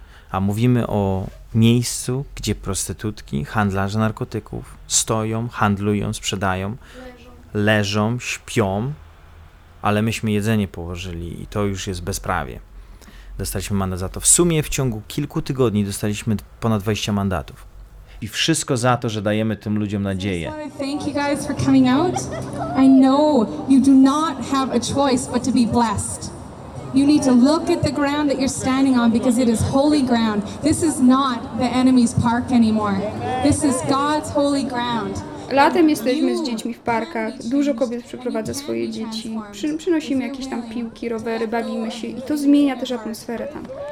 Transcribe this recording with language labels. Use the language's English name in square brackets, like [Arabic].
[Polish] A mówimy o miejscu, gdzie prostytutki, handlarze narkotyków stoją, handlują, sprzedają, leżą, śpią, ale myśmy jedzenie położyli i to już jest bezprawie. Dostaliśmy mandat za to. W sumie w ciągu kilku tygodni dostaliśmy ponad 20 mandatów. I wszystko za to, że dajemy tym ludziom nadzieję. [English] Thank you guys for coming out. I know you do not have a choice but to be blessed. You need to look at the ground that you're standing on because it is holy ground. This is not the enemy's park anymore. This is God's holy ground. [Polish] Latem jesteśmy z dziećmi w parkach. Dużo kobiet przyprowadza swoje dzieci. Przynosimy jakieś tam piłki, rowery, bawimy się i to zmienia też atmosferę tam.